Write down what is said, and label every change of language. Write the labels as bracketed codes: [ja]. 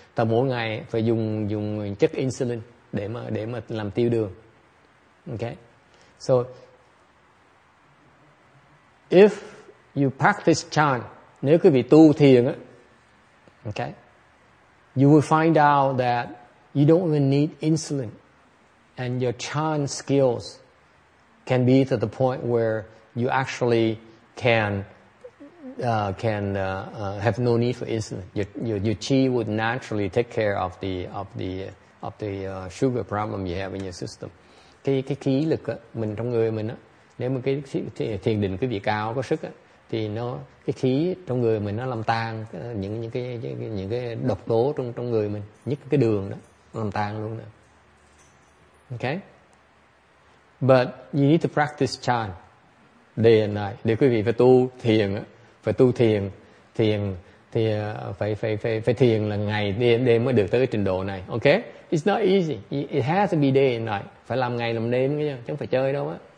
[vi] Ta mỗi ngày phải dùng chất insulin để mà làm tiêu đường. [en] Okay. So if you practice chan, [vi] nếu quý vị tu thiền á, [en] okay, you will find out that you don't even need insulin, and your chan skills can be to the point where you actually can have no need for insulin. Your chi would naturally take care of the sugar problem you have in your system. [vi] Cái khí lực á, mình trong người mình á, nếu mà cái thiền định quý vị cao có sức á, thì nó cái khí trong người mình nó làm tan những cái độc tố trong người mình, nhất cái đường đó làm tan luôn đó. [en] Okay. But you need to practice chan day and night. [vi] Để quý vị phải tu thiền á, phải tu thiền, thiền thì phải thiền là ngày đêm mới được tới cái trình độ này. [en] Okay? It's not easy. It has to be day and night. [vi] Phải làm ngày làm đêm chứ không phải chơi đâu á.